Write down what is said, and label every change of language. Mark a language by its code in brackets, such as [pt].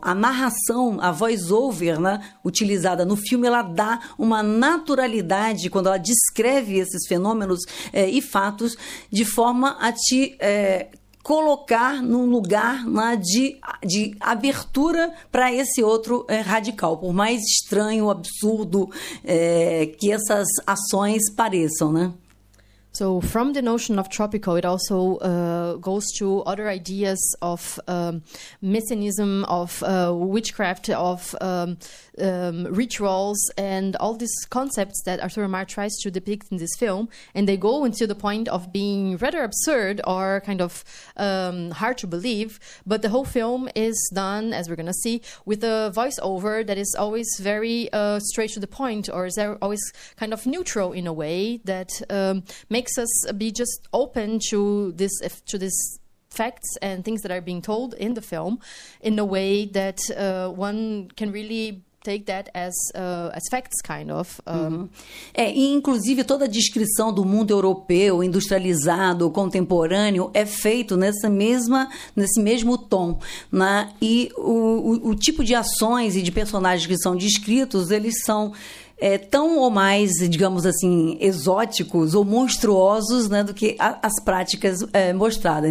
[pt] A narração, a voice-over, né, utilizada no filme, ela dá uma naturalidade quando ela descreve esses fenômenos e fatos, de forma a te colocar num lugar, né, de abertura para esse outro radical, por mais estranho, absurdo que essas ações pareçam, né? [en] So from the notion of tropical, it also goes to other ideas of messianism, of witchcraft, of rituals, and all these concepts that Arthur Omar tries to depict in this film. And they go into the point of being rather absurd or kind of hard to believe. But the whole film is done, as we're going to see, with a voiceover that is always very straight to the point, or is always kind of neutral in a way that makes us be just open to this, to these facts and things that are being told in the film, in a way that one can really take that as facts, kind of. [pt] É, e inclusive toda a descrição do mundo europeu, industrializado, contemporâneo, é feito nessa mesma, nesse mesmo tom, né? E o tipo de ações e de personagens que são descritos, eles são tão ou mais, digamos assim, exóticos ou monstruosos, né, do que as práticas mostradas.